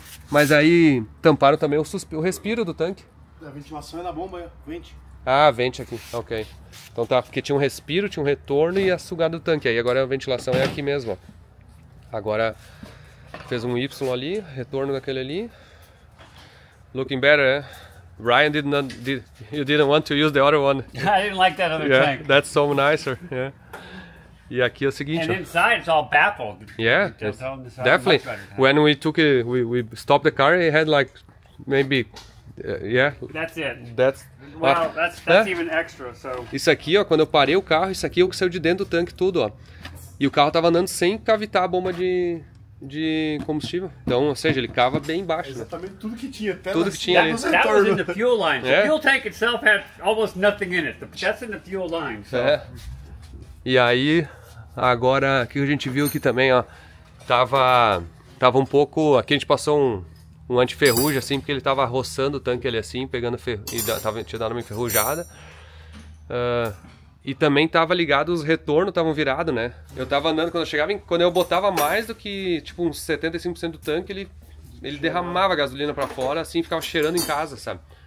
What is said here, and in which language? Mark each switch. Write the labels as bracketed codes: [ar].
[pt] Mas aí tamparam também o respiro do tanque. A ventilação é na bomba, vente. Ah, vente aqui, ok. Então tá, porque tinha um respiro, tinha um retorno e a sugada do tanque. Aí agora a ventilação é aqui mesmo, ó. Agora fez um Y ali, retorno daquele ali. [en] Looking better, eh? Ryan, you didn't want to use the other one. I didn't like that other tank. That's so nicer, yeah. [pt] E aqui é o seguinte. [en] And inside it's all baffled. Yeah, definitely. When we took it, we stopped the car. It had like maybe, yeah. That's it. That's wow. Well, that's even extra. So. [pt] Isso aqui, ó, quando eu parei o carro, isso aqui é o que saiu de dentro do tanque tudo, ó. E o carro tava andando sem cavitar a bomba de combustível. Então, ou seja, ele cava bem baixo. Exatamente, né? Tudo que tinha. Até tudo que tinha. [en] That was in the fuel line. Yeah. The fuel tank itself had almost nothing in it. That's in the fuel line. So. Yeah. [pt] E aí, agora, aqui a gente viu que também, ó, tava um pouco, aqui a gente passou um antiferrugem, assim, porque ele tava roçando o tanque ali, assim, pegando tinha dado uma enferrujada. E também tava ligado os retornos, estavam virados, né? Eu tava andando, quando eu botava mais do que, tipo, uns 75% do tanque, ele derramava a gasolina pra fora, assim, ficava cheirando em casa, sabe?